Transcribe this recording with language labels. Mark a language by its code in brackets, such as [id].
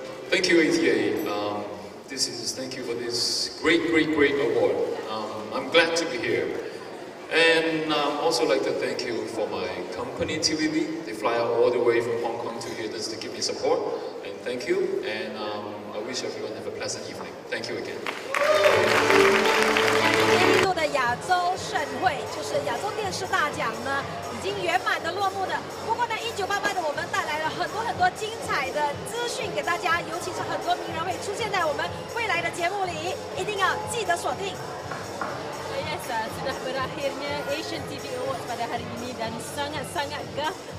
[en] Thank you, ATA. Thank you for this great award. I'm glad to be here. And I'd also like to thank you for my company, TVB. They fly out all the way from Hong Kong to here just to give me support. And thank you. And,I wish everyone have a pleasant evening. Thank you again. [zh] 印度的亚洲盛会就是亚洲电视大奖呢，已经圆满的落幕了。不过呢，1988的我们带来了很多精彩的资讯给大家，尤其是很多名人会出现在我们未来的节目里，一定要记得锁定。 [ms] Yes, sudah berakhirnya Asian TV Awards pada hari ini dan sangat gembira.